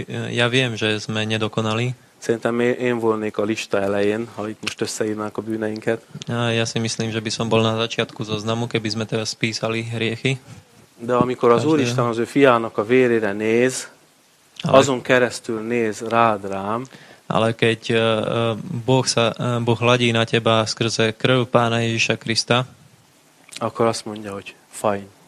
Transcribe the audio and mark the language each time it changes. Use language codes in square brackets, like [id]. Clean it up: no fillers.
[sk] Ja viem, že sme nedokonali. [hu] Szerintem én volnék a lista elején, ha itt most összeírnák a bűneinket. [sk] Ja si myslím, že by som bol na začiatku zoznamu, keby sme teraz spísali hriechy. [hu] De amikor [sk] každého. [hu] Az Úristen az ő fiának a vérére néz, ale azon keresztül néz rád rám. [sk] Ale keď Boh hladí na teba skrze krv Pána Ježiša Krista, [hu] akkor azt mondja, hogy fajn.